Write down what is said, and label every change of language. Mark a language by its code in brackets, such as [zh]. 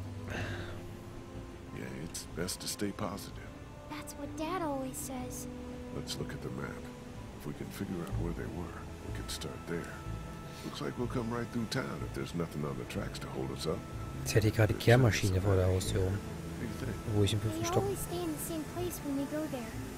[en] Yeah, it's best to stay positive. That's what Dad always says. Let's look at the map. If we can figure out where they were, we can start there. Looks like we'll come right through town if there's nothing on the tracks to hold us up. [de] Jetzt hätte ich gerade die Kehrmaschine vor der Haustür rum. Wo ich im fünften Stock. [en] They always stay in the same place when we go there.